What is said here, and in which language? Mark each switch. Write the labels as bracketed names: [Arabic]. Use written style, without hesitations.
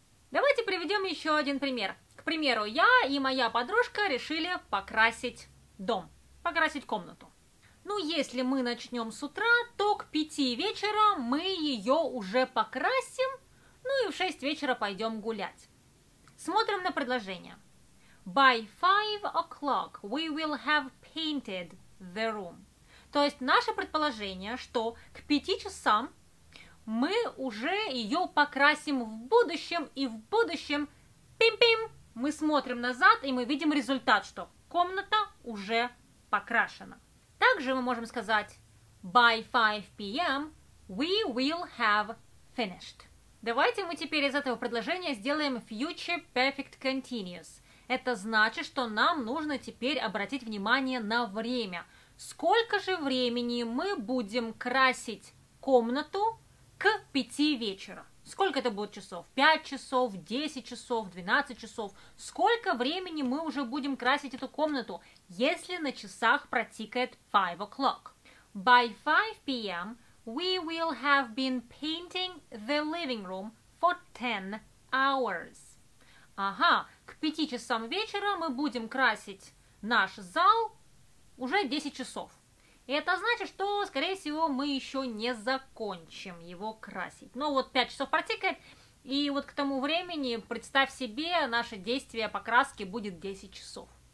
[Russian] Давайте приведем еще один пример. К примеру, я и моя подружка решили покрасить дом, покрасить комнату. Ну, если мы начнем с утра, то к 5 вечера мы ее уже покрасим, ну и в 6 вечера пойдем гулять. Смотрим на предложение. [English] By 5 o'clock we will have painted the room. [Russian] То есть наше предположение, что к 5 часам мы уже ее покрасим в будущем, и в будущем, пим-пим, мы смотрим назад, и мы видим результат, что комната уже покрашена. Также мы можем сказать [English] by 5 p.m. we will have finished. [Russian] Давайте мы теперь из этого предложения сделаем future perfect continuous. Это значит, что нам нужно теперь обратить внимание на время. Сколько же времени мы будем красить комнату к 5 вечера? Сколько это будет часов? 5 часов, 10 часов, 12 часов? Сколько времени мы уже будем красить эту комнату, если на часах протикает [English] 5 o'clock? By 5 p.m. we will have been painting the living room for 10 hours. [Russian] Ага, к 5 часам вечера мы будем красить наш зал уже 10 часов. И это значит, что, скорее всего, мы еще не закончим его красить. Но вот 5 часов протекает, и вот к тому времени, представь себе, наше действие по краске будет 10 часов.